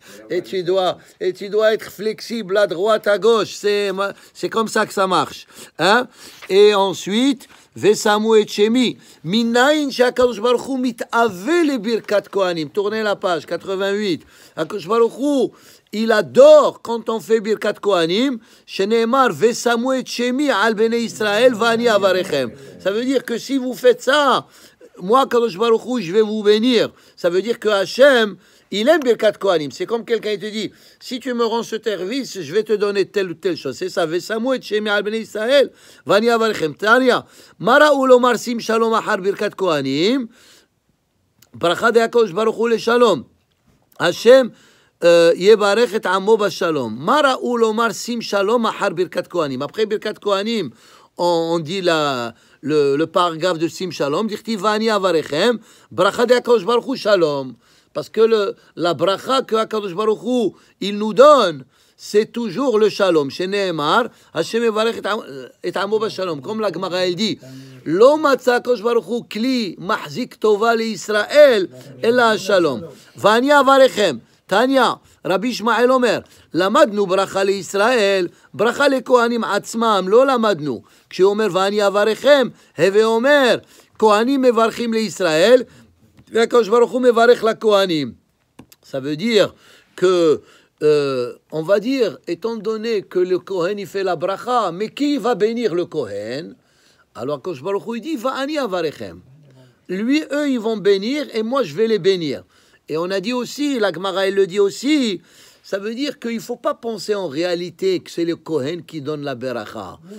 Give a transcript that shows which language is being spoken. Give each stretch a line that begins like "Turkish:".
French: et tu dois être flexible à droite, à gauche. C'est comme ça que ça marche. Hein? Et ensuite,
Hebrew: ושמו את שמי. מניין שהקדוש ברוך הוא מתאווה לברכת כהנים? תורנה לפש, 88. הקדוש ברוך הוא,
French: il adore quand on fait
Hebrew: birkat kohanim, שנאמר, ושמו את שמי על בני ישראל ואני אברכם.
French: Ça veut dire que si vous faites ça, moi, הקדוש ברוך הוא, je vais vous bénir. Ça veut dire que Hashem, il aime birkat kohanim. C'est comme quelqu'un qui te dit, si tu me rends ce service, je vais te donner telle ou telle chose. C'est ça.
Hebrew: ושמו את שמי על בני ישראל ואני אברכם. תניא, מה ראו לומר שים שלום אחר birkat kohanim? ברכה דה הקדוש ברוך הוא לשלום. Hashem, יברך את עמו בשלום. מה ראו לומר שים שלום אחר ברכת כהנים? אחרי ברכת כהנים,
French: on dit le paragraf de
Hebrew: שים שלום, דכתיב ואני אברכם, ברכה דה הקדוש ברוך הוא שלום.
French: Parce que la ברכה שהקדוש ברוך הוא, il nous donne, c'est toujours le שלום,
Hebrew: שנאמר, השם יברך את עמו בשלום. כמו לגמרא אל די, לא מצא הקדוש ברוך הוא כלי מחזיק טובה לישראל, אלא השלום. ואני אברכם. תניא, רבי ישמעאל אומר, למדנו ברכה לישראל, ברכה לכהנים עצמם, לא למדנו. כשהוא אומר, ואני אברכם, הווה אומר, כהנים מברכים לישראל, והקדוש ברוך הוא מברך לכהנים.
French: Ça veut dire que, on va dire, étant donné que le כהן
Hebrew: יפה לברכה,
French: mais qui va bénir le כהן? Alors הקדוש ברוך הוא dit,
Hebrew: ואני אברכם.
French: Lui, eux, ils vont bénir, et moi, je vais les bénir. Et on a dit aussi, la Gemara elle le dit aussi, ça veut dire qu'il ne faut pas penser en réalité que c'est le Kohen qui donne la Beracha.